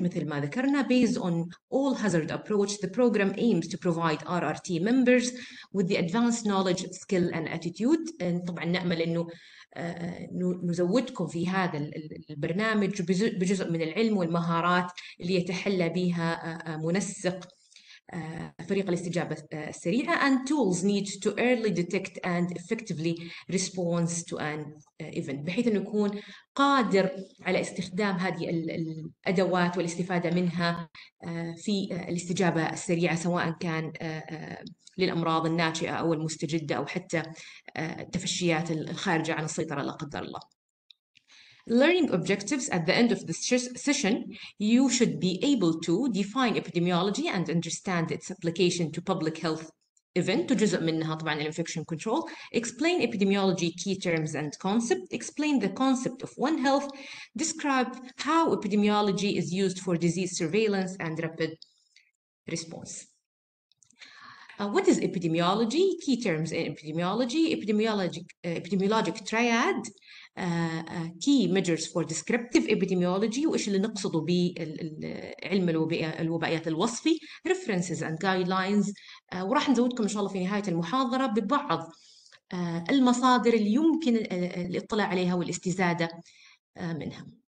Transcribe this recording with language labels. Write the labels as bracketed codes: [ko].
[ar] مثل ما ذكرنا, [en] based on all hazard approach, the program aims to provide RRT members with the advanced knowledge, skill and attitude. [ar] طبعا نأمل أنه نزودكم في هذا البرنامج بجزء من العلم والمهارات اللي يتحلى بها منسق فريق الاستجابة السريعة, [en] and tools need to early detect and effectively respond to an event, [ar] بحيث أن يكون قادر على استخدام هذه الأدوات والاستفادة منها في الاستجابة السريعة, سواء كان للأمراض الناشئة أو المستجدة أو حتى التفشيات الخارجة عن السيطرة لا قدر الله. [en] Learning objectives: at the end of this session, you should be able to define epidemiology and understand its application to public health event, to [ar] جزء منها طبعا [en] infection control, explain epidemiology key terms and concept, explain the concept of one health, describe how epidemiology is used for disease surveillance and rapid response. What is epidemiology? Key terms in epidemiology: epidemiologic triad, key measures for descriptive epidemiology, [ar] وإيش اللي نقصده بعلم الوبائيات الوصفي, [en] references and guidelines, [ar] وراح نزودكم إن شاء الله في نهاية المحاضرة ببعض المصادر اللي يمكن الاطلاع عليها والاستزادة منها.